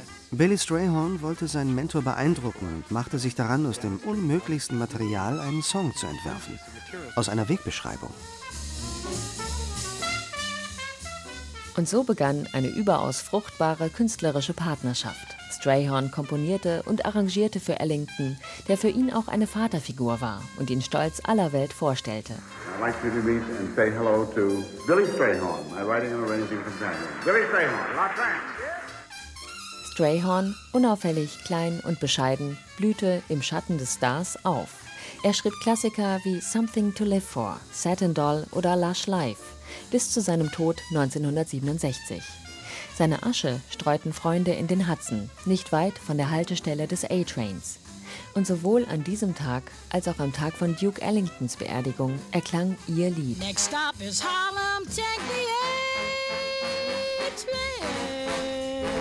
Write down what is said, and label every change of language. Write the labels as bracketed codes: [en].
[de] Billy Strayhorn wollte seinen Mentor beeindrucken und machte sich daran, aus dem unmöglichsten Material einen Song zu entwerfen. Aus einer Wegbeschreibung. Und so begann eine überaus fruchtbare künstlerische Partnerschaft. Strayhorn komponierte und arrangierte für Ellington, der für ihn auch eine Vaterfigur war und ihn stolz aller Welt vorstellte. [en] I'd like you to meet and say hello to Billy Strayhorn, my writing and arranging companion. Billy Strayhorn, Los Angeles. [de] Strayhorn, unauffällig, klein und bescheiden, blühte im Schatten des Stars auf. Er schrieb Klassiker wie Something to Live For, Satin Doll oder Lush Life, bis zu seinem Tod 1967. Seine Asche streuten Freunde in den Hudson, nicht weit von der Haltestelle des A-Trains. Und sowohl an diesem Tag als auch am Tag von Duke Ellingtons Beerdigung erklang ihr Lied. [en] Next stop is Harlem, take the A-Train.